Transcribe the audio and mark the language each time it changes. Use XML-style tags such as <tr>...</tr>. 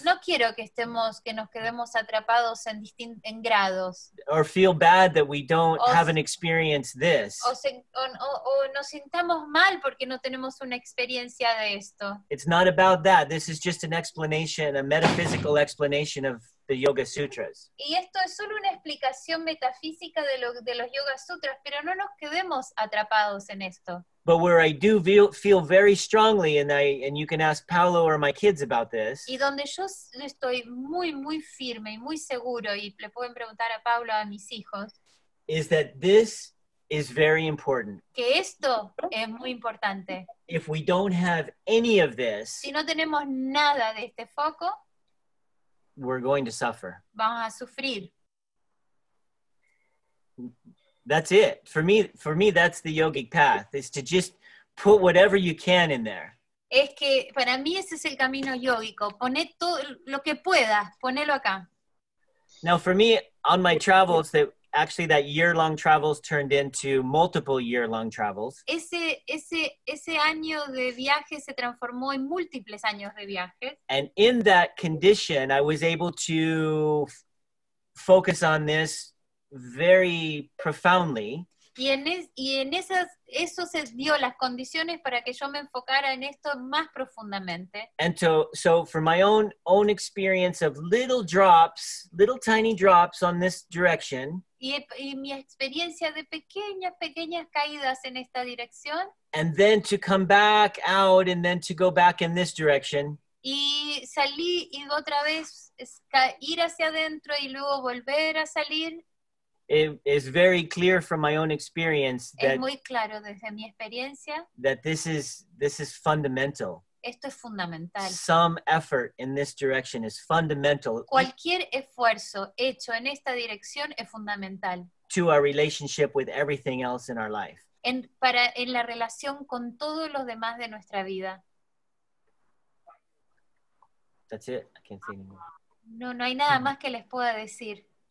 <es>no quiero que estemos que nos quedemos atrapados en grados</es> <en>or feel bad that we don't have an experience this</en> <es>o nos sintamos mal porque no tenemos una experiencia de esto.</es> <en>It's not about that. This is just an explanation, a metaphysical explanation of the Yoga Sutras.</en> <es>Y esto es solo una explicación metafísica de los Yoga Sutras, pero no nos quedemos atrapados en esto.</es> <en>But where I do feel very strongly, and you can ask Paolo or my kids about this.</en> <es>Y donde yo estoy muy muy firme y muy seguro, y le pueden preguntar a Paolo a mis hijos.</es> <en>Is that this is very important?</en> <es>Que esto es muy importante.</es> <en>If we don't have any of this,</en> <es>si no tenemos nada de este foco,</es> <en>we're going to suffer.</en> <es>Vamos a sufrir.</es> <en>That's it. For me, that's the yogic path, is to just put whatever you can in there.</en> <es>Es que para mí ese es el camino yógico. Poné todo lo que puedas, ponelo acá.</es> <en>Now, for me, on my travels, that year-long travels turned into multiple year-long travels.</en> <es>Ese año de viaje se transformó en múltiples años de viaje.</es> <en>And in that condition, I was able to focus on this very profoundly.</en> <es>Eso se dio las condiciones para que yo me enfocara en esto más profundamente.</es> <en>And so for my own experience of little drops, little tiny drops on this direction.</en> <es>Y mi experiencia de pequeñas caídas en esta dirección.</es> <en>And then to come back out and then to go back in this direction.</en> <es>Y salí y otra vez ir hacia adentro y luego volver a salir.</es> <en>It is very clear from my own experience</en> <es>es muy claro desde mi experiencia</es> <en>that this is fundamental.</en> <es>Esto es fundamental.</es> <en>Some effort in this direction is fundamental.</en> <es>Cualquier esfuerzo hecho en esta dirección es fundamental.</es> <en>To our relationship with everything else in our life.</en> <es>En la relación con todos los demás de nuestra vida.</es> <en>That's it. I can't say anymore.</en> <es>No, no hay nada más que les pueda decir.</es>